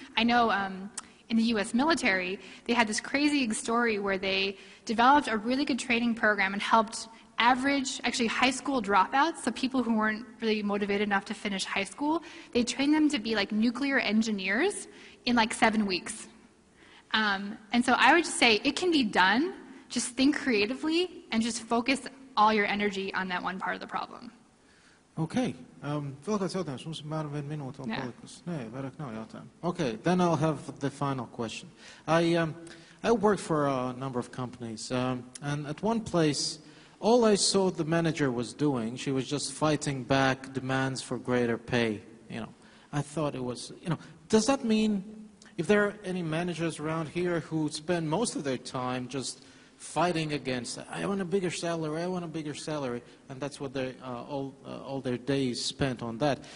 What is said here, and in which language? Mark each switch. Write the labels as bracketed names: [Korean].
[English] I know in the U.S. military, they had this crazy story where they developed a really good training program and helped high school dropouts, so people who weren't really motivated enough to finish high school, they trained them to be like nuclear engineers in like 7 weeks. And so I would just say it can be done. Just think creatively and just focus all your energy on that one part of the problem. [Latvian] Okay. Vēl kāds jautājums? Mums ir mēram viena minūte vēl palikusi. Nē, vairāk nav jautājumu. [English] Okay, then I'll have the final question. I worked for a number of companies, and at one place, all I saw the manager was doing, she was just fighting back demands for greater pay, you know. I thought it was, you know, does that mean if there are any managers around here who spend most of their time just fighting against, I want a bigger salary, I want a bigger salary, and that's what they all their days spent on that.